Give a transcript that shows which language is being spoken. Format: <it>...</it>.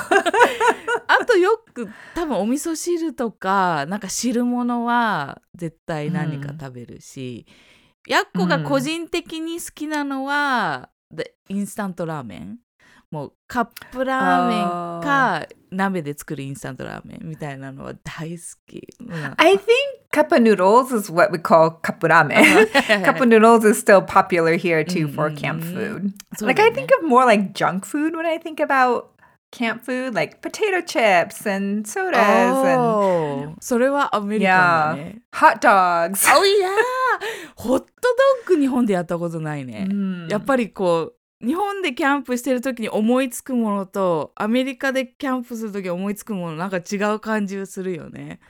<ja>あとよく多分お味噌汁とかなんか汁物は絶対何か食べるし、うん、やっこが個人的に好きなのは、うん、インスタントラーメンもうカップラーメンか鍋で作るインスタントラーメンみたいなのは大好き、</ja> <en>うん、I think cup of noodles is what we call cup of ramen cup of noodles is still popular here too for camp food、ね、like I think of more like junk food when I think aboutCamp food, like potato chips and sodas.</en> <ja>Oh, それはアメリカだね。</ja> <en>Yeah. Hot dogs. Oh, yeah.</en> <ja>ホットドッグ日本でやったことないね。やっぱりこう、日本でキャンプしてるときに思いつくものと、アメリカでキャンプするときに思いつくもの、なんか違う感じがするよね。</ja>